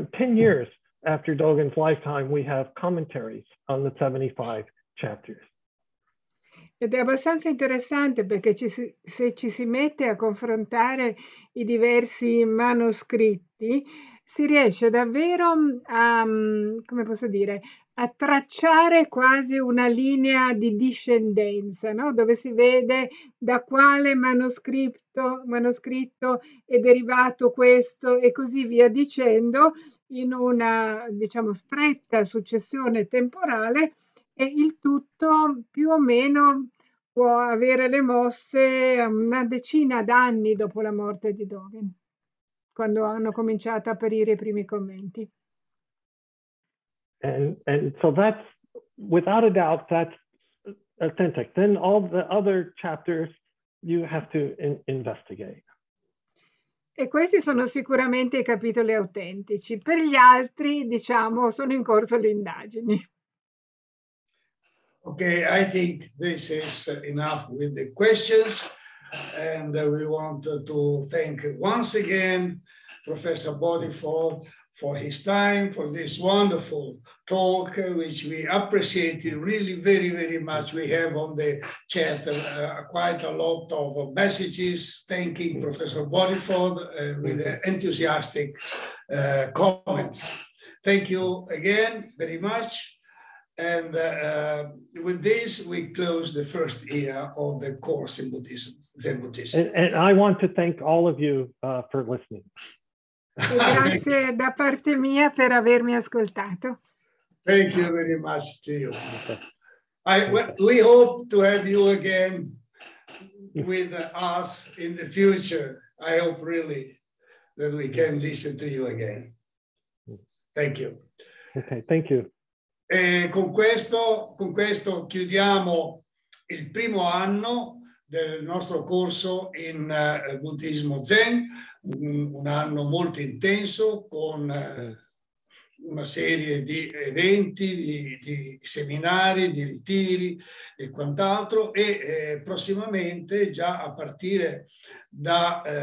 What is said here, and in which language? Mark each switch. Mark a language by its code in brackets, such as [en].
[en] 10 years after Dogen's lifetime, we have commentaries on the 75 chapters. [it] Ed è abbastanza interessante perché se ci si mette a confrontare i diversi manoscritti, si riesce davvero a, come posso dire, a tracciare quasi una linea di discendenza, no? Dove si vede da quale manoscritto è derivato questo e così via dicendo, in una, diciamo, stretta successione temporale, e il tutto più o meno può avere le mosse una decina d'anni dopo la morte di Dogen, quando hanno cominciato a apparire i primi commenti. [en] And so that's, without a doubt, that's authentic. Then all the other chapters you have to investigate. [it] E questi sono sicuramente i capitoli autentici. Per gli altri, diciamo, sono in corso le indagini. [en] Okay, I think this is enough with the questions, and we want to thank once again Professor Bodiford for his time, for this wonderful talk, which we appreciated really very, very much. We have on the chat quite a lot of messages thanking Professor Bodiford with enthusiastic comments. Thank you again very much. And with this, we close the first year of the course in Buddhism, Zen Buddhism. And I want to thank all of you for listening. [it] Grazie da parte mia per avermi ascoltato. [en] Thank you very much to you. We hope to have you again with us in the future. I hope really that we can listen to you again. Thank you. Okay, thank you. [it] E con questo chiudiamo il primo anno del nostro corso in Buddhismo Zen, un anno molto intenso con una serie di eventi, di seminari, di ritiri e quant'altro, e prossimamente, già a partire da